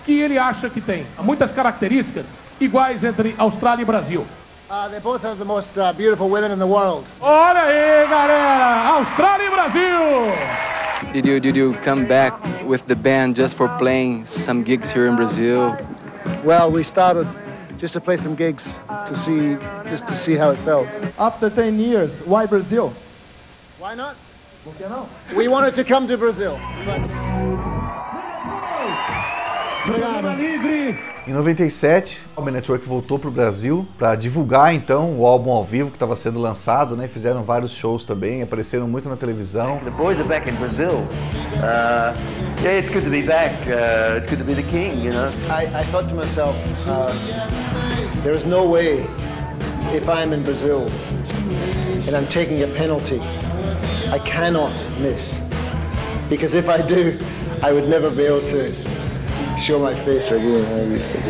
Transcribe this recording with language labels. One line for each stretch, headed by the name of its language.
Portuguese: Que ele acha que tem muitas características iguais entre Austrália e Brasil.
English: They both have the most beautiful women in the world.
Portuguese: Olha aí, galera! Austrália e Brasil!
English: Did you come back with the band just for playing some gigs here in Brazil? Well, we started just to play some gigs to see, just to see how it felt. After 10 years, why Brazil? Why not?
Portuguese: Porque não?
English: We wanted to come to Brazil.
Portuguese: Obrigado. Em 97, a Home Network voltou para o Brasil para divulgar então o álbum ao vivo que estava sendo lançado, né? Fizeram vários shows também, apareceram muito na televisão.
English: The boys are back in Brazil. Yeah, it's good to be back. It's good to be the king, you know. I thought to myself, there is no way if I'm in Brazil and I'm taking a penalty, I cannot miss. Because if I do, I would never be able to show my face again.